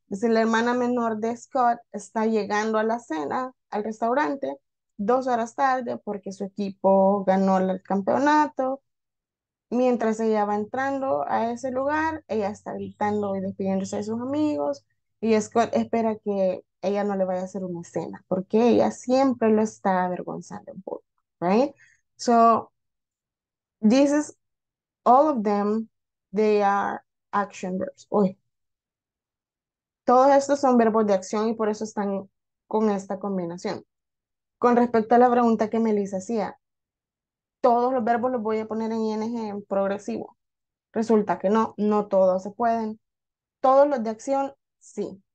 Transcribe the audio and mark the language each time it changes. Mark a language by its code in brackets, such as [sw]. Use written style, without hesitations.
[es] Si la hermana menor de Scott está llegando a la cena, al restaurante, 2 horas tarde porque su equipo ganó el campeonato, mientras ella va entrando a ese lugar, ella está gritando y despidiéndose de sus amigos, y Scott espera que ella no le vaya a hacer una escena, porque ella siempre lo está avergonzando un poco, ¿right? [en] So, this is all of them, they are action verbs. Uy. [es] Todos estos son verbos de acción y por eso están con esta combinación. Con respecto a la pregunta que Melissa hacía, ¿todos los verbos los voy a poner en ING en progresivo? Resulta que no, no todos se pueden. ¿Todos los de acción? Sí.